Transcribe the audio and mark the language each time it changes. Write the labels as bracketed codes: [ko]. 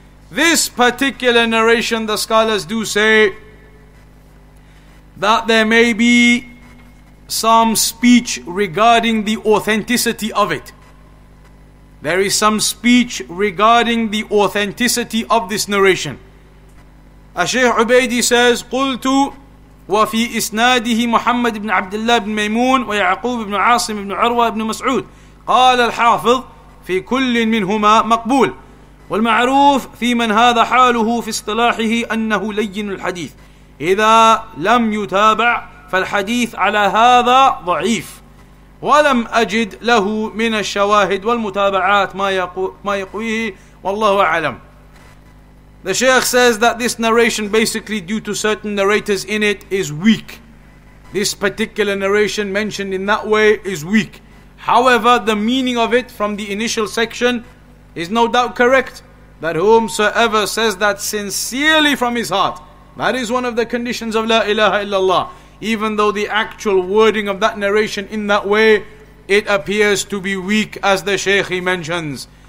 [en] This particular narration, the scholars do say that there may be some speech regarding the authenticity of it. There is some speech regarding the authenticity of this narration. Shaykh Ubaydi says, [ar] قلتُ وفي إسناده محمد بن عبد الله بن ميمون ويعقوب بن عاصم بن عروة بن مسعود قال الحافظ في كل منهما مقبول والمعروف في من هذا حاله في اصطلاحه أنه لين الحديث إذا لم يتابع فالحديث على هذا ضعيف ولم أجد له من الشواهد والمتابعات ما يقويه والله أعلم. [en] The Shaykh says that this narration, basically due to certain narrators in it, is weak. this particular narration mentioned in that way is weak. However, the meaning of it from the initial section is no doubt correct, that whomsoever says that sincerely from his heart, that is one of the conditions of La ilaha illallah, even though the actual wording of that narration in that way, it appears to be weak, as the Shaykh he mentions.